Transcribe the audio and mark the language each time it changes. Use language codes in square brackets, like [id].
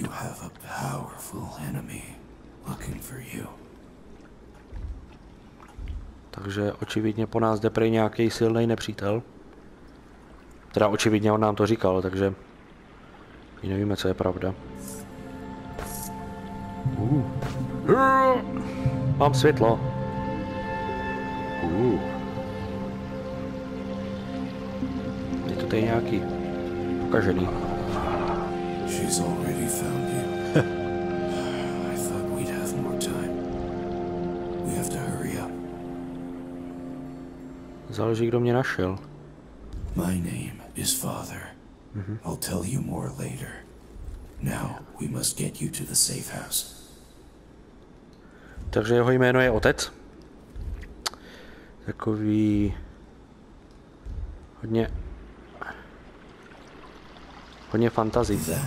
[en] You have a powerful enemy looking for you. [cs] Takže očividně po nás jde prej nějaký silný nepřítel. Teda očividně on nám to říkal, takže my nevíme, co je pravda. Mám světlo. Je to tady nějaký pokažený. [en] She's already found you. I thought we'd have more time. We have to hurry up. [cs] Záleží, kdo mě našel. [en] My name is Father. I'll tell you more later. Now we must get you to the safe house. [cs] Takže jeho jméno je otec. Takový hodně hodně fantasy.